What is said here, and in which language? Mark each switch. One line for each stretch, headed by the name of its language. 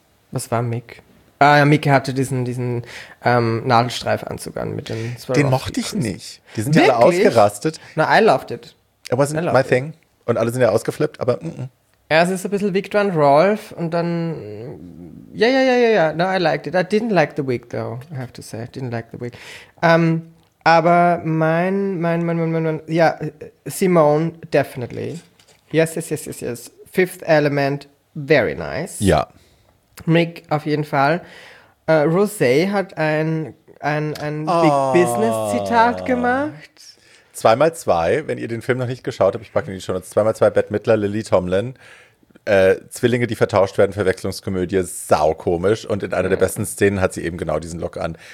German: Was war Mick? Ah ja, Mika hatte diesen Nadelstreifanzug an mit den Swarovski. Den mochte ich nicht. Die sind ja alle ausgerastet.
English: No, I loved it. It wasn't my thing.
German: Und alle sind ja ausgeflippt, aber Ja, es ist ein bisschen Victor und Rolf und dann, ja.
English: No, I liked it. I didn't like the wig though, I have to say. I didn't like the wig.
German: Aber mein, ja, Simone,
English: definitely. Yes. Fifth Element, very nice.
German: Ja. Mick auf jeden Fall. Rosé hat ein Big Business Zitat gemacht. 2x2, wenn ihr den Film noch nicht geschaut habt, ich packe ihn schon. 2x2, Bette Midler, Lily Tomlin. Zwillinge, die vertauscht werden, Verwechslungskomödie, saukomisch. Und in einer der besten Szenen hat sie eben genau diesen Look an.